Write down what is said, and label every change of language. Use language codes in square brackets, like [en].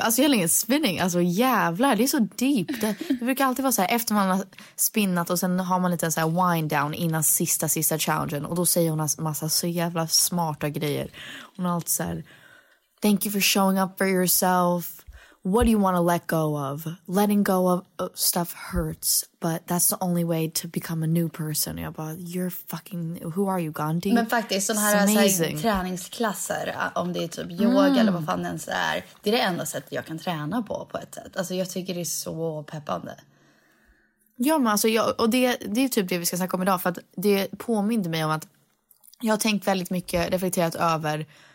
[sv] Alltså jag har länge spinning. Alltså jävlar, det är så deep. Det brukar alltid vara så här, efter man har spinnat och sen har man lite en så här wind down innan sista challengen. Och då säger hon massa så jävla smarta grejer. [en] Hon har alltid så här: "Thank you for showing up for yourself. What do you want to let go of? Letting go of stuff hurts, but that's the only way to become a new person." Jag bara, you're fucking, who are you, Gandhi? [sv] Men faktiskt, sådana här, så här träningsklasser, om det är typ yoga eller vad fan det ens är, det är det enda sättet jag kan träna på ett sätt. Alltså jag tycker det är så peppande. Ja, men alltså, och det är typ det vi ska snacka om idag, för att det påminner mig om att jag har tänkt väldigt mycket, reflekterat över...